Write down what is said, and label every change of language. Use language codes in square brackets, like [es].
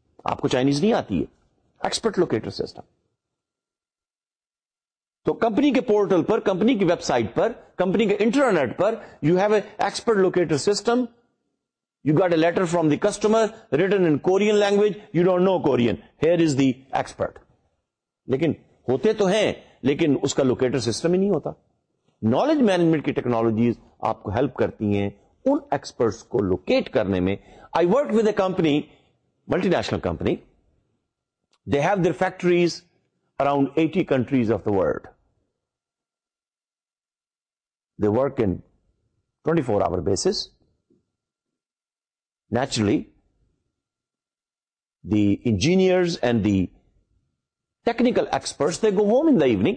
[ur] آپ کو چائنیز نہیں آتی ہے, ایکسپرٹ لوکیٹر سسٹم. تو کمپنی کے پورٹل پر, کمپنی کی ویب سائٹ پر, کمپنی کے internet per [en] You have a expert locator system. You got a letter from the customer written in Korean language, you don't know Korean, here is the expert. [ur] لیکن ہوتے تو ہیں لیکن اس کا locator system ہی نہیں ہوتا. Knowledge management کی technologies آپ کو ہیلپ کرتی ہیں ان ایکسپرٹس کو لوکیٹ کرنے میں. [en] I work with a company, multinational company, they have their factories around 80 countries of the world. They work in 24 hour basis. Naturally the engineers and the technical experts they go home in the evening.